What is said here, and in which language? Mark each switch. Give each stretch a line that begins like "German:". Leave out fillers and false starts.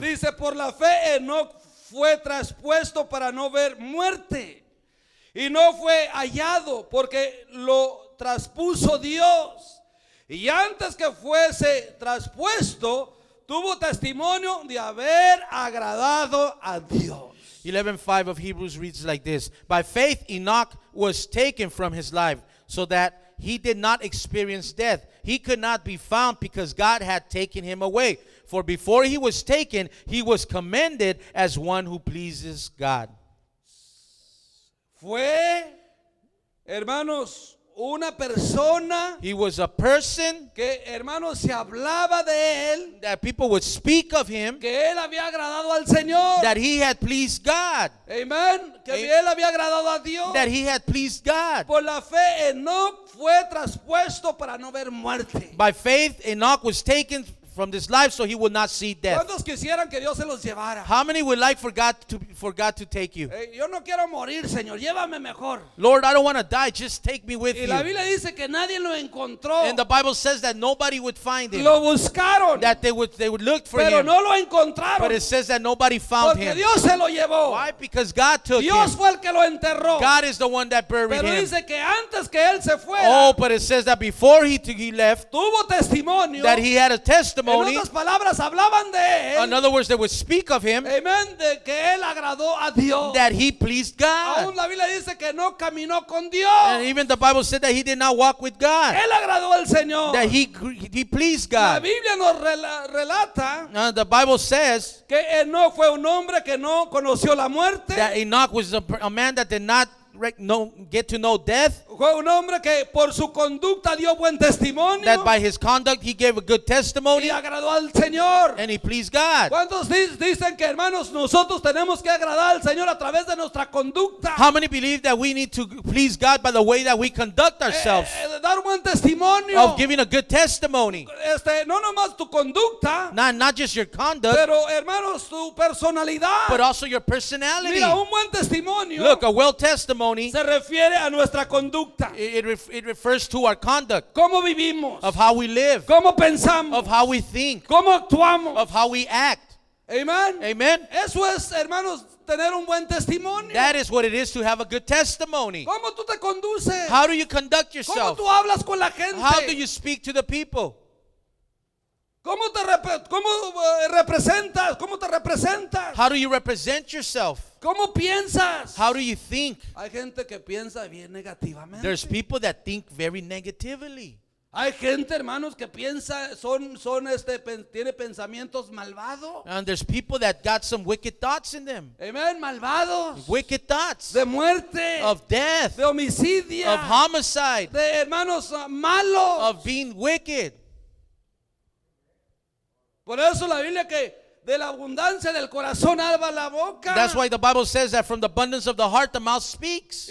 Spanish: Dice, por la fe Enoch fue traspuesto para no ver muerte. Y no fue hallado porque lo traspuso Dios. Y antes que fuese traspuesto, tuvo testimonio de haber agradado a Dios.
English: 11:5 of Hebrews reads like this. By faith, Enoch was taken from his life so that he did not experience death. He could not be found because God had taken him away. For before he was taken, he was commended as one who pleases God.
Spanish: Fue, hermanos, una persona.
English: He was a person
Spanish: que, hermanos, se hablaba de él.
English: That people would speak of him.
Spanish: Que él había agradado al Señor.
English: That he had pleased God.
Spanish: Amen. Que él había agradado a Dios.
English: That he had pleased God.
Spanish: Por la fe, Enoch fue traspuesto para no ver muerte.
English: By faith, Enoch was taken from this life so he would not see death.
Spanish: ¿Cuántos quisieran que Dios se los llevara?
English: How many would like for God to take you?
Spanish: Hey, yo no quiero morir, Señor. Llévame mejor.
English: Lord, I don't want to die. Just take me with
Spanish: y
English: you.
Spanish: La Biblia dice que nadie lo encontró.
English: And the Bible says that nobody would find him.
Spanish: Lo buscaron.
English: That they would look for
Spanish: pero
English: him.
Spanish: Pero no lo encontraron.
English: But it says that nobody found
Spanish: porque
English: him.
Spanish: Dios se lo llevó.
English: Why? Because God took
Spanish: Dios
English: him.
Spanish: Dios fue el que lo enterró.
English: God is the one that buried
Spanish: pero
English: him.
Spanish: Pero dice que antes que él se fuera.
English: Oh, but it says that before he left.
Spanish: Tuvo testimonio.
English: That he had a testimony.
Spanish: En otras palabras, hablaban de él.
English: In other words, they would speak of him.
Spanish: Amen. De que él agradó a Dios.
English: That he pleased God.
Spanish: Aún la Biblia dice que no caminó con Dios.
English: And even the Bible said that he did not walk with God.
Spanish: Él agradó al Señor.
English: That he pleased God.
Spanish: La Biblia nos relata.
English: The Bible says
Spanish: que Enoch fue un hombre que no conoció la muerte.
English: That Enoch was a man that did not get to know death.
Spanish: Fue un hombre que por su conducta dio buen testimonio.
English: That by his conduct he gave a good testimony.
Spanish: Y agradó al Señor.
English: And he pleased God.
Spanish: ¿Cuántos dicen que, hermanos, nosotros tenemos que agradar al Señor a través de nuestra conducta?
English: How many believe that we need to please God by the way that we conduct ourselves?
Spanish: Dar buen testimonio.
English: Of giving a good testimony.
Spanish: No nomás tu conducta.
English: Not just your conduct.
Spanish: Pero, hermanos, tu personalidad.
English: But also your personality.
Spanish: Mira, un buen testimonio.
English: Look, a well testimony.
Spanish: Se refiere a nuestra conducta.
English: It refers to our conduct.
Spanish: ¿Cómo vivimos?
English: Of how we live.
Spanish: ¿Cómo pensamos?
English: Of how we think.
Spanish: ¿Cómo actuamos?
English: Of how we act.
Spanish: Amen.
English: Amen.
Spanish: Eso es, hermanos, tener un buen testimonio.
English: That is what it is to have a good testimony.
Spanish: ¿Cómo tú te conduces?
English: How do you conduct yourself?
Spanish: ¿Cómo tú hablas con la gente?
English: How do you speak to the people?
Spanish: ¿Cómo te representas?
English: How do you represent yourself?
Spanish: ¿Cómo piensas?
English: How do you think?
Spanish: Hay gente que piensa bien negativamente.
English: There's people that think very negatively.
Spanish: Hay gente, hermanos, que piensa, tiene pensamientos malvados.
English: And there's people that got some wicked thoughts in them.
Spanish: Amen, malvados.
English: Wicked thoughts.
Spanish: De muerte.
English: Of death.
Spanish: De homicidio.
English: Of homicide.
Spanish: De hermanos malos.
English: Of being wicked.
Spanish: Por eso la Biblia que de la abundancia del corazón habla la boca.
English: That's why the Bible says that from the abundance of the heart the mouth speaks.